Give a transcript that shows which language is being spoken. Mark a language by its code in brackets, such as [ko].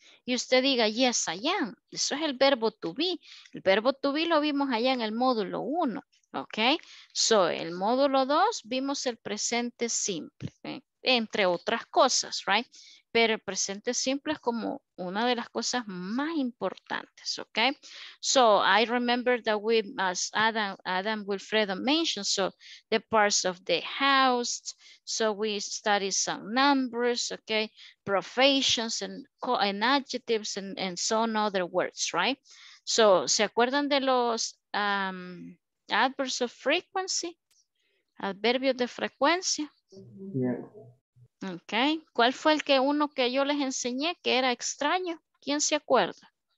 [es] Y usted diga, [en] yes, I am. [es] Eso es el verbo to be. El verbo to be lo vimos allá en el módulo 1. Ok, so el módulo 2 vimos el presente simple, ¿eh? Entre otras cosas, right? Pero el presente simple es como una de las cosas más importantes, ok? [en] So I remember that we, as Adam Wilfredo mentioned, so the parts of the house, so we studied some numbers, ok? Professions and adjectives and so on other words, right? [es] So, ¿se acuerdan de los [en] adverbs of frequency, [es] adverbios de frecuencia? [en] Yeah. [es] Ok, ¿cuál fue el que uno que yo les enseñé que era extraño? ¿Quién se acuerda?